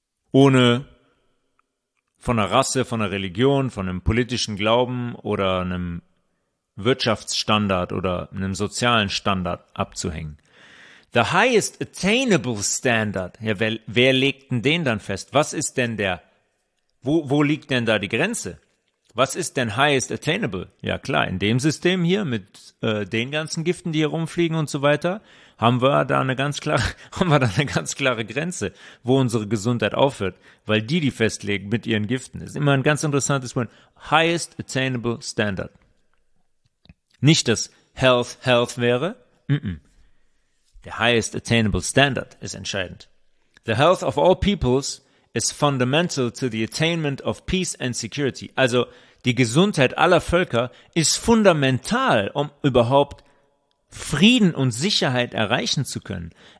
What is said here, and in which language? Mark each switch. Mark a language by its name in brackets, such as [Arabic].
[German] Ohne von einer Rasse, von einer Religion, von einem politischen Glauben oder einem Wirtschaftsstandard oder einem sozialen Standard abzuhängen. [English] The highest attainable standard. [German] Ja, wer legt denn den dann fest? Was ist denn der, wo liegt denn da die Grenze? Was ist denn [English] highest attainable? [German] Ja klar, in dem System hier mit den ganzen Giften, die hier rumfliegen und so weiter, haben wir da eine ganz klare Grenze, wo unsere Gesundheit aufhört, weil die festlegen mit ihren Giften. Das ist immer ein ganz interessantes Punkt. [English] Highest attainable standard. [German] Nicht, dass health wäre. Mm-mm. Der [English] highest attainable standard [German] ist entscheidend. [English] The health of all peoples is fundamental to the attainment of peace and security. [German] Also die Gesundheit aller Völker ist fundamental, um überhaupt Frieden und Sicherheit erreichen zu können.